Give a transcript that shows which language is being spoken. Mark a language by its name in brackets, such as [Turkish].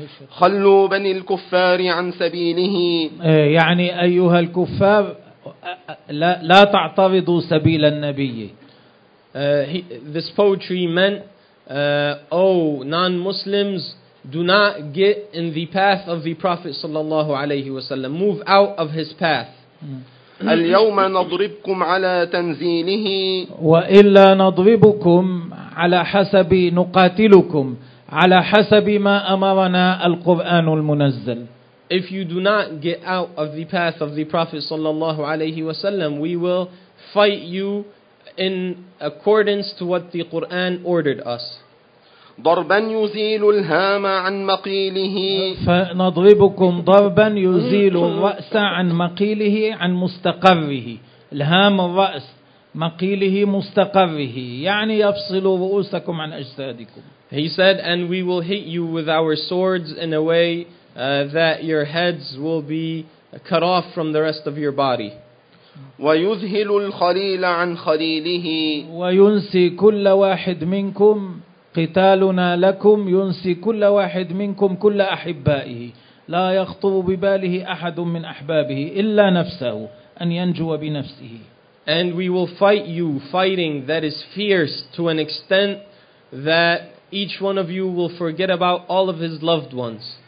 [Arabic] خلوا بني الكفار عن سبيله. يعني أيها الكفار لا تعترضوا سبيل النبي. [English] This poetry meant, non-Muslims, do not get in the path of the Prophet [Arabic] صلى الله عليه وسلم. [English] Move out of his path. [Arabic] اليوم نضربكم على تنزيله. وإلا نضربكم على حسب نقاتلكم على حسب ما أمرنا القرآن المنزل. [English] If you do not get out of the path of the Prophet sallallahu alayhi wa sallam, we will fight you in accordance to what the Quran ordered us. [Arabic] ضَرْبًا يُزِيلُ الْهَامَ عَنْ مَقِيلِهِ فَنَضْرِبُكُمْ ضَرْبًا يُزِيلُ الْرَأْسَ عَنْ مَقِيلِهِ عَنْ مُسْتَقَرِّهِ الْهَامَ الرَّأْسَ مقيله مستقره يعني يفصل رؤوسكم عن أجسادكم. [English] He said, and we will hit you with our swords in a way that your heads will be cut off from the rest of your body. [Arabic] ويذهل الخليل عن خليله وينسي كل واحد منكم قتالنا لكم ينسي كل واحد منكم كل أحبائه لا يخطو بباله أحد من أحبابه إلا نفسه أن ينجو بنفسه. [English] And we will fight you fighting that is fierce to an extent that each one of you will forget about all of his loved ones.